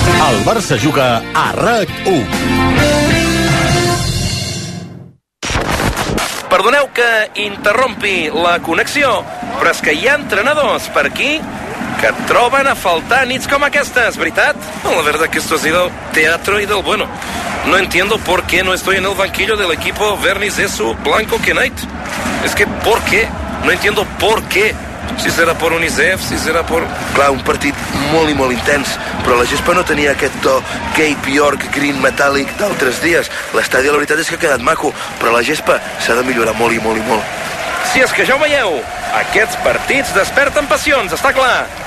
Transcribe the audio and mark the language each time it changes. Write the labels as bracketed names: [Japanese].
[Catalan] El Barça juga a RAC 1. Perdoneu que interrompi la connexió, però és que hi ha entrenadors per aquí que troben a faltar nits com aquestes, veritat? [Spanish] La verdad que esto ha sido teatro y del bueno. No entiendo por qué no estoy en el banquillo del equipo Vernis Esu Blanco Knight. Es que por qué? No entiendo por qué. [Catalan] Si serà per Unicef, si serà per... Clar, un partit molt i molt intens, però la gespa no tenia aquest to Cape York Green Metallic d'altres dies. L'estadi, la veritat, és que ha quedat maco, però la gespa s'ha de millorar molt i molt i molt. Si és que ja ho veieu, aquests partits desperten passions, està clar.